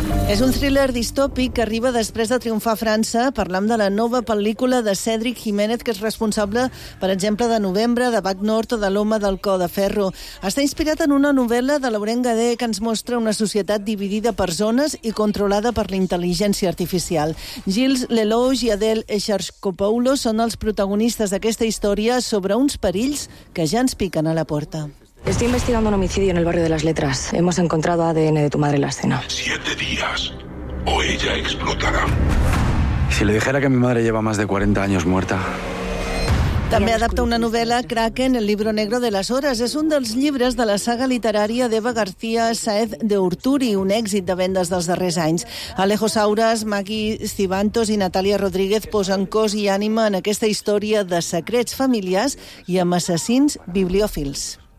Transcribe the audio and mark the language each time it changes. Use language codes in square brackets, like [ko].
[ca] És un thriller distòpic que arriba després de triomfar a França. Parlem de la nova pel·lícula de Cédric Jiménez, que és responsable, per exemple, de Novembre, de Bac Nord o de L'home del Cor de Ferro. Està inspirat en una novel·la de Laurent Gadet que ens mostra una societat dividida per zones i controlada per la intel·ligència artificial. Gilles Lelouch i Adèle Exarchopoulos són els protagonistes d'aquesta història sobre uns perills que ja ens piquen a la porta. [es] Estoy investigando un homicidio en el barrio de las letras. Hemos encontrado ADN de tu madre en la escena. 7 días o ella explotará. Si le dijera que mi madre lleva más de 40 años muerta... [ca] També adapta una novel·la, Kraken, el libro negro de las horas. És un dels llibres de la saga literària d'Eva García Saez de Urturi, un èxit de vendes dels darrers anys. Alejo Sauras, Magui Cibantos i Natàlia Rodríguez posen cos i ànima en aquesta història de secrets familiars i amb assassins bibliòfils.